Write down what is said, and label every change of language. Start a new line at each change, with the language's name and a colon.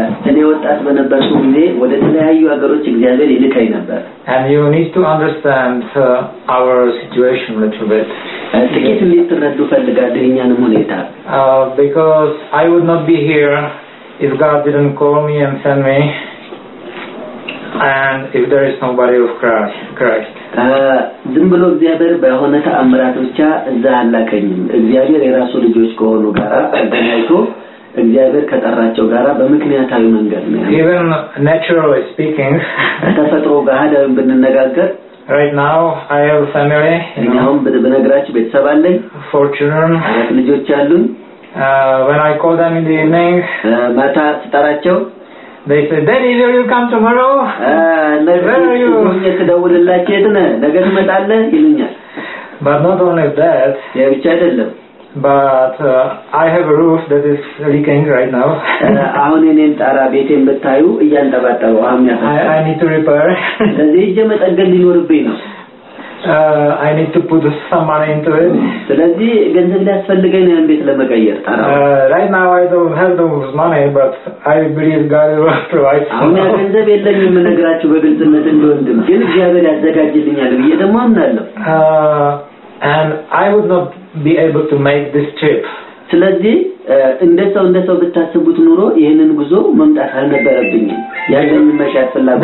Amharic: እኔ ወጣት በነበርኩ ጊዜ ወደ ተለያዩ ሀገሮች እግዚአብሔር ይልከኝ ነበር።
English: And you need to understand our situation a little bit.
Amharic: ጥቂት ልትረዱ ፈልጋለሁ የኛንም ሁኔታ።
English: Because I would not be here if God didn't call me and send me and if there is nobody of Christ.
Amharic: ዝም ብሎ እግዚአብሔር በሆነ ተአምራት ብቻ እዛ አላከኝም። እግዚአብሔር የራሱ ልጆች ከሆኑ ጋር አገናኝቶ እግዚአብሔር ከጠራቸው ጋራ በመክንያታዊ መንገድ ነው።
English: Even naturally speaking,
Amharic: ተፈጥሮ ጋር እንድንነጋገር
English: right now I have a family.
Amharic: እኛም በነግራችሁ ቤተሰብ አለኝ።
English: Fortunate
Amharic: ልጆች አሉኝ።
English: When I call them in the evening,
Amharic: ማታ ስጠራቸው
English: they say, "Daddy, will you come tomorrow?" Where are you?
Amharic: እየተደወለላችሁ እንደ ነገ ትመጣለህ ይሉኛል።
English: But not only that,
Amharic: ያ ብቻ አይደለም
English: but I have a roof that is leaking right now.
Amharic: አሁን እኔን ጣራ ቤቴን በታዩ እያንደባጠው አሁን ያሳየ
English: I need to repair.
Amharic: ስለዚህ የመጠገን ሊኖርብኝ ነው።
English: I need to put some money into it.
Amharic: ስለዚህ ገንዘብ ያስፈልገኝ ነው ቤት ለመቀየር ጣራ።
English: Right now I don't have those money but I believe God will provide.
Amharic: አሁን ገንዘብ የለኝም መነግራችሁ በግልጽነት እንደወንድም ግን እግዚአብሔር ያዘጋጅልኛል ብዬ ደግሞ አምናለሁ።
English: And I would not be able to make this trip.
Amharic: ስለዚህ እንደሰው ብታስቡት ኑሮ ይሄንን ጉዞ መምጣት አልነበረብኝ ያለኝ መሻት ፍላጎት።